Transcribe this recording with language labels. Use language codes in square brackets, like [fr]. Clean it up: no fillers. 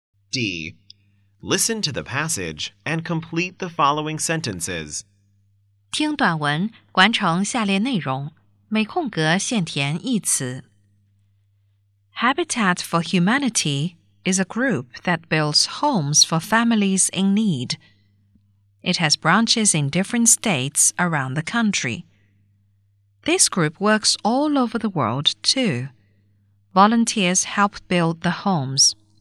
[en] D. Listen to the passage and complete the following sentences. [zh] 听短文，完成下列内容，每空格限填一词。 [en] Habitat for Humanity is a group that builds homes for families in need. It has branches in different states around the country. This group works all over the world, too. Volunteers help build the homes.